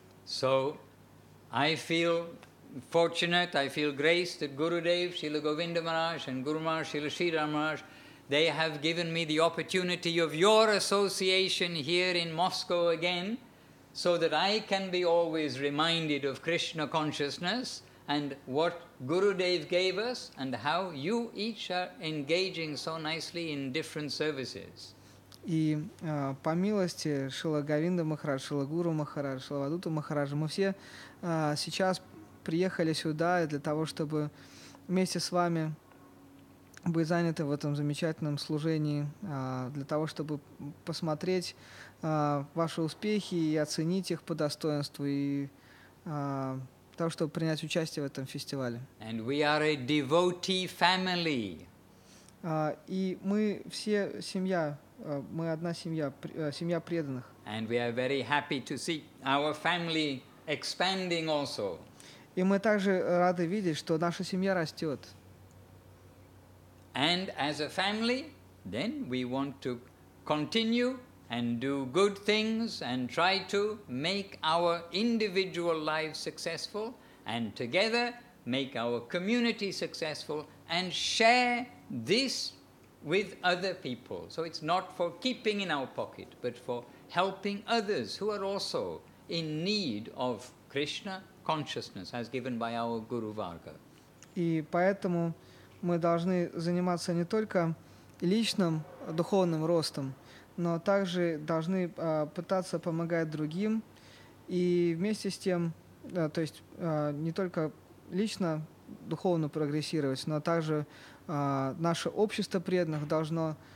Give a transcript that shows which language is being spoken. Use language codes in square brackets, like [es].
[en] So, I feel fortunate, I feel graced that Gurudev, Srila Govinda Maharaj, and Guru Maharaj, Srila Sridhar Maharaj, they have given me the opportunity of your association here in Moscow again, so that I can be always reminded of Krishna consciousness and what Gurudev gave us and how you each are engaging so nicely in different services. [ru] И по милости Шрила Говинда Махарадж, Шрила Гуру Махарадж, Шрила Вадута Махарадж, мы все сейчас приехали сюда для того, чтобы вместе с вами быть заняты в этом замечательном служении, для того, чтобы посмотреть ваши успехи и оценить их по достоинству, и для того, чтобы принять участие в этом фестивале. [en] And we are a devotee family. [ru] И мы все семья, мы одна семья, семья преданных. [en] And we are very happy to see our family expanding also. [ru] И мы также рады видеть, что наша семья растет. [en] And as a family, then we want to continue and do good things and try to make our individual lives successful and together make our community successful and share this with other people. So it's not for keeping in our pocket, but for helping others who are also in need of Krishna consciousness as given by our Guru Bhargava. [ru] И поэтому мы должны заниматься не только личным духовным ростом, но также должны пытаться помогать другим и вместе с тем, то есть не только лично духовно прогрессировать, но также наше общество преданных должно